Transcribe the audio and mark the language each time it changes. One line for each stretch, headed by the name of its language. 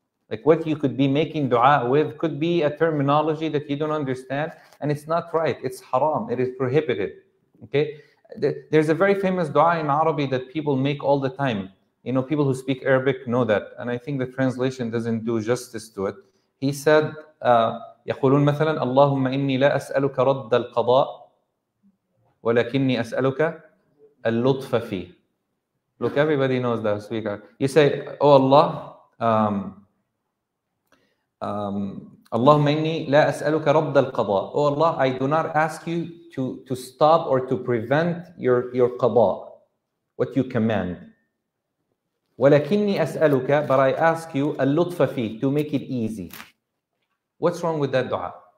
English: Like what you could be making dua with could be a terminology that you don't understand, and it's not right. It's haram. It is prohibited. Okay? There's a very famous dua in Arabic that people make all the time. You know, people who speak Arabic know that. And I think the translation doesn't do justice to it. He said,
Arabic: يقولون مثلا اللهم إني لا أسألك رد القضاء ولكني أسألك اللطف فيه.
English: Look, everybody knows that speaker. You say, oh Allah,
Arabic: اللهم إني لا أسألك رد القضاء.
English: Oh Allah, I do not ask you to stop or to prevent your قضاء, what you command.
Arabic: ولكني أسألك,
English: but I ask you
Arabic: اللطف فيه,
English: to make it easy. What's wrong with that dua?